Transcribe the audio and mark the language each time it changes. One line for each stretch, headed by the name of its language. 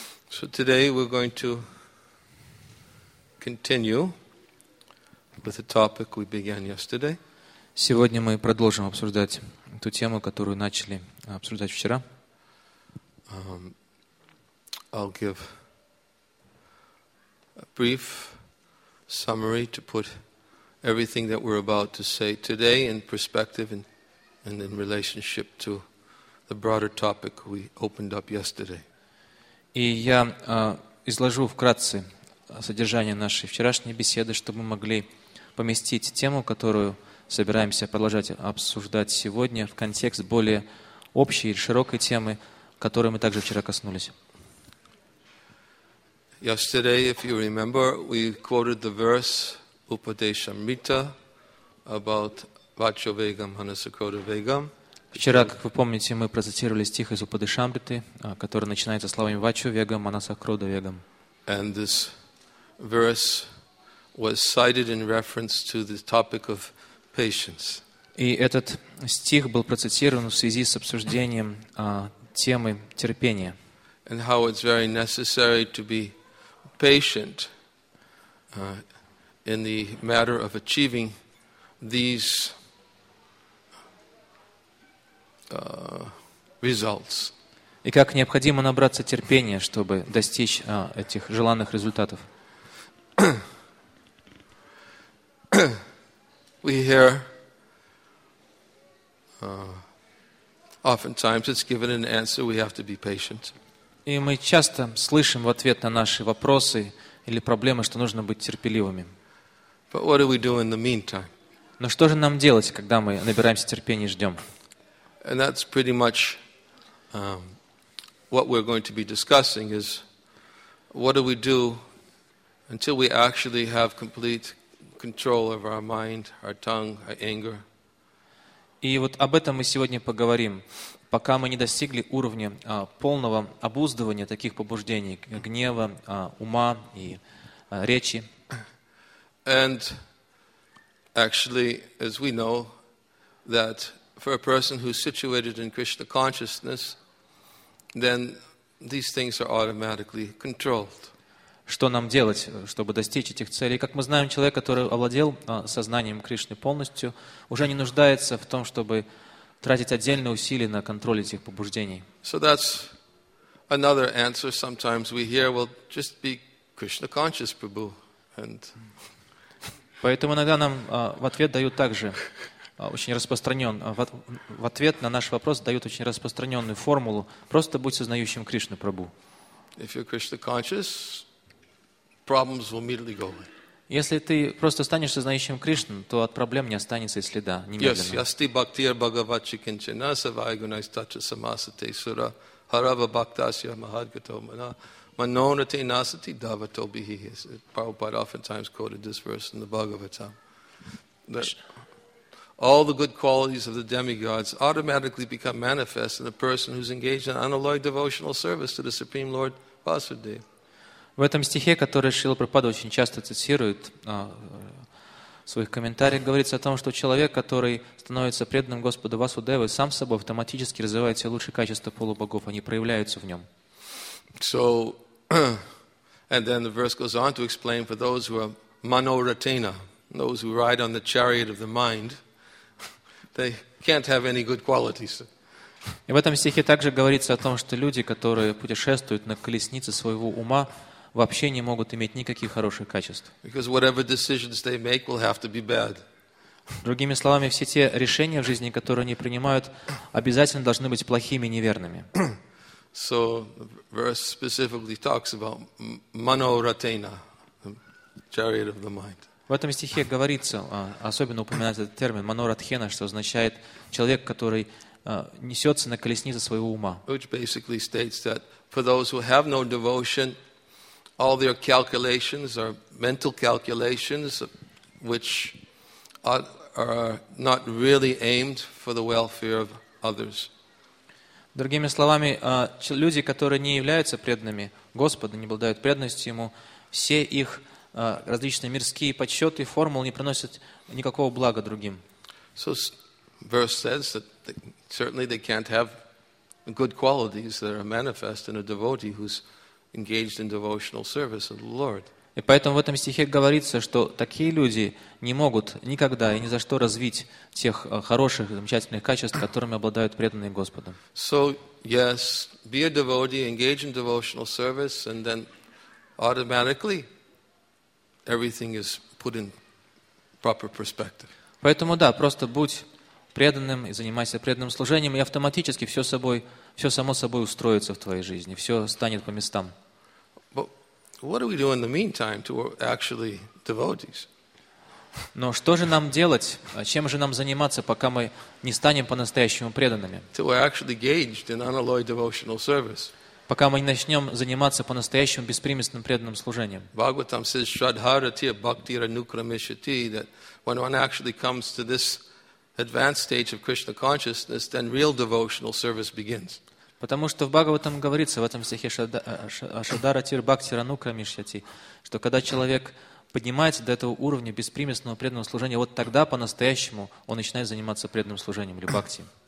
English: So today we're going to continue with the topic we began yesterday.
Russian: Сегодня мы продолжим обсуждать ту тему, которую начали обсуждать вчера.
English: I'll give a brief summary to put everything that we're about to say today in perspective and in relationship to the broader topic we opened up yesterday.
Russian: И я изложу вкратце содержание нашей вчерашней беседы, чтобы мы могли поместить тему, которую собираемся продолжать обсуждать сегодня, в контекст более общей и широкой темы, которой мы также вчера коснулись.
English: Yesterday, if you remember, we quoted the verse Upadeshamrita about
Sanskrit: Vachovegam Hanasakrodavegam.
Russian: Вчера, как вы помните, мы процитировали стих из Упадешамриты, который начинается словами
Sanskrit: «Вачу вегам, манаса крода вегам».
English: And this verse was cited in reference to the topic of patience.
Russian: И этот стих был процитирован в связи с обсуждением темы терпения.
English: And how it's very necessary to be patient in the matter of achieving these results.
Russian: И как необходимо набраться терпения, чтобы достичь этих желанных результатов.
English: We hear oftentimes it's given an answer, we have to be patient.
Russian: И мы часто слышим в ответ на наши вопросы или проблемы, что нужно быть терпеливыми.
English: But what do we do in the meantime?
Russian: Но что же нам делать, когда мы набираемся терпения и ждем?
English: And that's pretty much what we're going to be discussing is what do we do until we actually have complete control of our mind, our tongue, our anger.
Russian: И вот об этом мы сегодня поговорим. Пока мы не достигли уровня полного обуздывания таких побуждений, гнева, ума и речи.
English: And actually, as we know, that for a person who's situated in Krishna consciousness, then these things are automatically controlled.
Russian: Что нам делать, чтобы достичь этих целей? Как мы знаем, человек, который овладел сознанием Кришны полностью, уже не нуждается в том, чтобы тратить отдельные усилия на контроль этих побуждений.
English: So that's another answer sometimes we hear, well, just be Krishna conscious, Prabhu. And
Russian: поэтому иногда нам в ответ дают также очень распространен. В ответ на наш вопрос дают очень распространенную формулу. Просто будь сознающим Кришну, Прабху.
English: If you're Krishna conscious, problems will immediately go away.
Russian: Если ты просто станешь сознающим Кришну, то от проблем не останется и следа.
Sanskrit: Yes, yasti bhaktir bhagavachi kinchana savai gunaistacha samasate sura harava bhaktasya mahadgato mana manonate nasati davato bihi.
English: Prabhupada oftentimes quoted this verse in the Bhagavatam. All the good qualities of the demigods automatically become manifest in a person who's engaged in unalloyed devotional service to the Supreme Lord Vasudeva.
Russian: В этом стихе, который Шрила Прабхупада очень часто цитирует в своих комментариях, говорится о том, что человек, который становится преданным Господу Васудеве, сам собой автоматически развивает все лучшие качества полубогов, они проявляются в нем.
English: So, and then the verse goes on to explain for those who are manoratena, those who ride on the chariot of the mind, they can't have any good qualities.
Russian: И в этом стихе также говорится о том, что люди, которые путешествуют на колеснице своего ума, вообще не могут иметь никаких хороших качеств.
English: Because whatever decisions they make will have to be bad.
Russian: Другими словами, все те решения в жизни, которые они принимают, обязательно должны быть плохими и неверными.
English: So, verse specifically talks about manoratena, the chariot of the mind.
Russian: В этом стихе говорится, особенно упоминается этот термин манорадхена, что означает человек, который несется на колеснице своего ума.
English: Which basically states that for those who have no devotion, all their calculations are mental calculations, which are not really aimed for the welfare of others.
Russian: Другими словами, люди, которые не являются преданными Господу, не обладают преданностью Ему, все их различные мирские подсчеты и формулы не приносят никакого блага другим.
English: So, verse says that certainly they can't have good qualities that are manifest in a devotee who's engaged in devotional service of the Lord.
Russian: И поэтому в этом стихе говорится, что такие люди не могут никогда и ни за что развить тех хороших и замечательных качеств, которыми обладают преданные Господу.
English: So, yes, be a devotee, engage in devotional service, and then automatically everything is put in proper perspective.
Russian: Поэтому да, просто будь преданным и занимайся преданным служением, и автоматически все само собой устроится в твоей жизни, все станет по местам.
English: What do we do in the meantime to actually devotees?
Russian: Но что же нам делать? Чем же нам заниматься, пока мы не станем по-настоящему преданными?
English: To actually engaged in unalloyed devotional service.
Russian: Пока мы не начнем заниматься по-настоящему беспримесным преданным служением.
English: Bhagavatam says
Sanskrit: shradharatiya bhakti ranukramishati,
English: that when one actually comes to this advanced stage of Krishna consciousness, then real devotional service begins.
Russian: Потому что в Бхагаватам говорится, в этом стихе
Sanskrit: Шадаратир Бхактира Нукрамишьяти,
Russian: что когда человек поднимается до этого уровня беспримесного преданного служения, вот тогда по-настоящему он начинает заниматься преданным служением или бхакти.